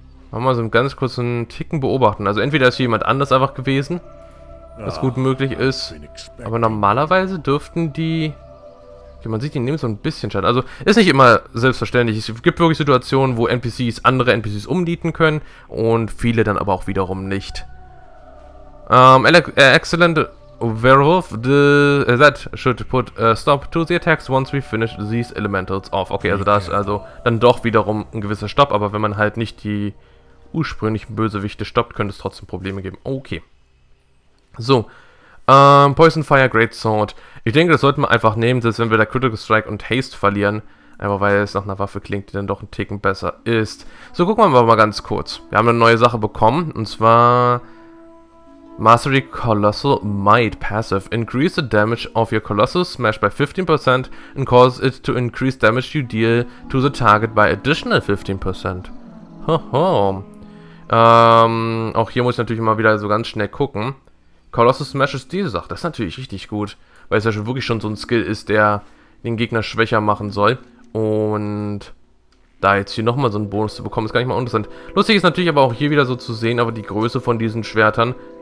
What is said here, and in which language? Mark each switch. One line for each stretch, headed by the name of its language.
German: Machen wir so einen ganz kurzen Ticken beobachten. Also entweder ist hier jemand anders einfach gewesen, was gut möglich ist, aber normalerweise dürften die... Okay, man sieht, die nehmen so ein bisschen Schaden. Also, ist nicht immer selbstverständlich. Es gibt wirklich Situationen, wo NPCs andere NPCs umnieten können und viele dann aber auch wiederum nicht.
English: Excellent Werewolf, that should put a stop to the attacks once we finish these elementals off.
German: Okay, also da ist also dann doch wiederum ein gewisser Stopp, aber wenn man halt nicht die ursprünglichen Bösewichte stoppt, könnte es trotzdem Probleme geben. Okay. So. Poison Fire Greatsword. Ich denke, das sollten wir einfach nehmen, selbst wenn wir da Critical Strike und Haste verlieren. Einfach weil es nach einer Waffe klingt, die dann doch ein Ticken besser ist. So, gucken wir aber mal ganz kurz. Wir haben eine neue Sache bekommen, und zwar Mastery Colossal Might Passive.
English: Increase the damage of your Colossal Smash by 15% and cause it to increase damage you deal to the target by additional 15%. Hoho.
German: Auch hier muss ich natürlich mal wieder so ganz schnell gucken. Colossal Smash ist diese Sache. Das ist natürlich richtig gut. Weil es ja schon wirklich schon so ein Skill ist, der den Gegner schwächer machen soll. Und da jetzt hier nochmal so einen Bonus zu bekommen, ist gar nicht mal interessant. Lustig ist natürlich aber auch hier wieder so zu sehen, aber die Größe von diesen Schwertern.